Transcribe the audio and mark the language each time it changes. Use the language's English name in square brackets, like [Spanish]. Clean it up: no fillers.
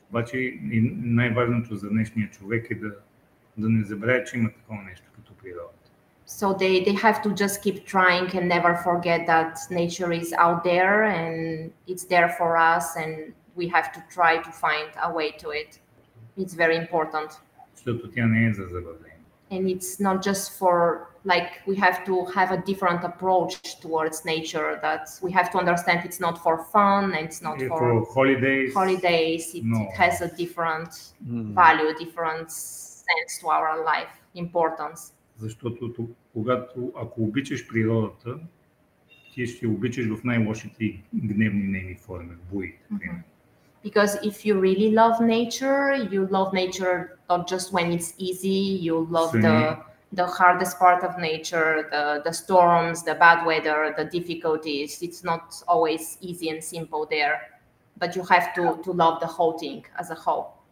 [Bulgarian] Обаче най-важното за днешния човек е да не забравя, че има такова нещо като природа. [English] So they have to just keep trying and never forget that nature is out there and it's there for us, and we have to try to find a way to it. It's very important. [Bulgarian] Защото тя не е за забавление. [English] And it's not just for, like, we have to have a different approach towards nature, that we have to understand it's not for fun, and it's not for holidays. It has a different value, different sense to our life, importance. [Bulgarian] Защото когато, ако обичаш природата, ти ще обичаш в най-лошите гневни нейни форми, буите, примерно. [English] Because if you really love nature, you love nature not just when it's easy, you love the hardest part of nature, the storms, the bad weather, the difficulties. It's not always easy and simple there, but you have to love the whole thing as a whole.